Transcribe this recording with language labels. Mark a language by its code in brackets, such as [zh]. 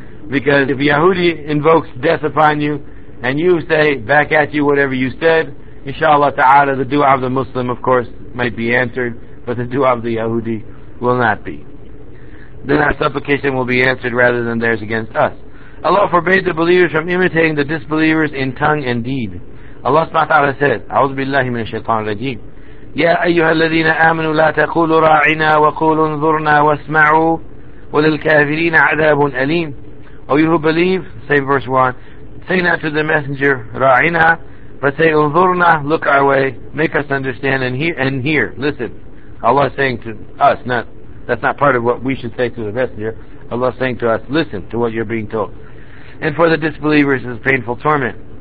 [en] Because if a Yahudi invokes death upon you, and you say back at you whatever you said, inshallah ta'ala, the dua of the Muslim, of course, might be answered, but the dua of the Yahudi will not be. Then our supplication will be answered rather than theirs against us. Allah forbade the believers from imitating the disbelievers in tongue and deed. Allah subhanahu wa ta'ala said, [ar] أعوذ بالله من الشيطان الرجيم يا أيها الذين آمنوا لا تقولوا راعنا وقولوا انظرنا واسمعوا وللكافرين عذاب أليم. [en] O you who believe, say verse 1, say not to the messenger راعنا, but say انظرنا, look our way, make us understand and hear, listen. Allah is saying to us, not, that's not part of what we should say to the messenger. Allah is saying to us, listen to what you're being told. And for the disbelievers is painful torment.